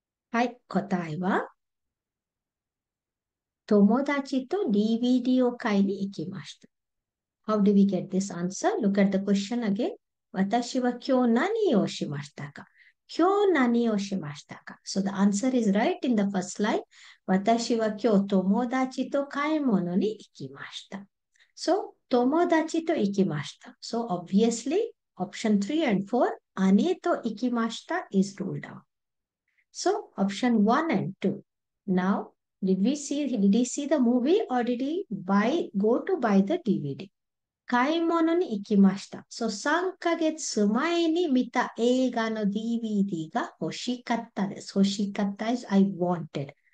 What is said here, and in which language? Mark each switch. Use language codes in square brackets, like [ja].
[ja] はい、答えは友達と DVD を買いに行きました。 [en] How do we get this answer? Look at the question again. [ja] 私は今日何をしましたか？今日何をしましたか？ [en] So the answer is right in the first line. [ja] 私は今日友達と買い物に行きました。 So 友達と行きました。 [en] So obviously, option 3 and 4, [ja] 姉と行きました [en] is ruled out. So option 1 and 2. Now, did he see the movie or did he go to buy the DVD? [ja] 買い物に行きました。So, 3ヶ月前に見た映画の DVD が欲しかったです。欲しかった [en] is I wanted.